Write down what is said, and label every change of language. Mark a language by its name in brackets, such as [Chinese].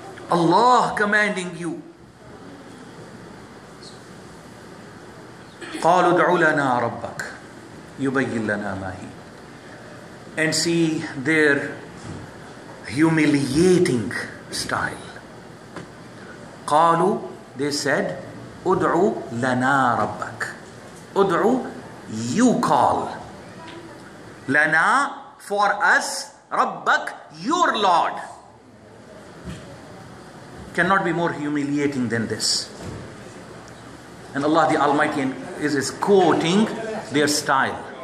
[English] Allah commanding you. [Arabic] قَالُوا دَعُوا لَنَا رَبَّكَ يُبَيِّن لَنَا مَا هِي. [English] And see their humiliating style. [Arabic] قَالُوا, [English] they said, [Arabic] أُدْعُوا لَنَا رَبَّكَ. أُدْعُوا, [English] you call. [Arabic] لَنَا, [English] for us. [Arabic] رَبَّكَ, [English] your Lord. Cannot be more humiliating than this. And Allah the Almighty is quoting their style.